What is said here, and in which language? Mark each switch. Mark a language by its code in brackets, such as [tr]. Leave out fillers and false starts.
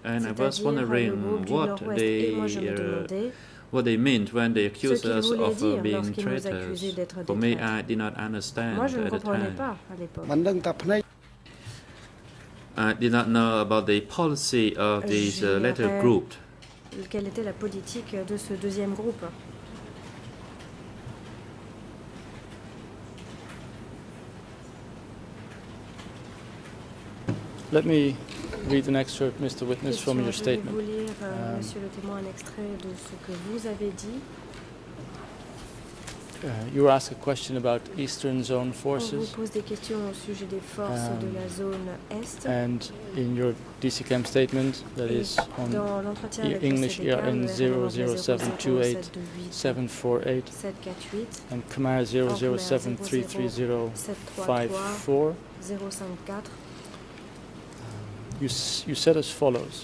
[en] And I was wondering what they meant when they accused us of being traitors. For me, I did not understand at the time. I did not know about the policy of this latter group. [fr] Quelle était la politique de ce deuxième groupe? [en] Let me read an excerpt, Mr. Witness, from your statement. [fr] Vous lire, Monsieur le Témoin, un extrait de ce que vous avez dit. [en] You ask a question about Eastern Zone forces. [fr] On vous pose des questions au sujet des forces de la zone est. [en] And in your DCCAM statement, that is on English ERN 007287478 and Khmer 007330054, you said as follows.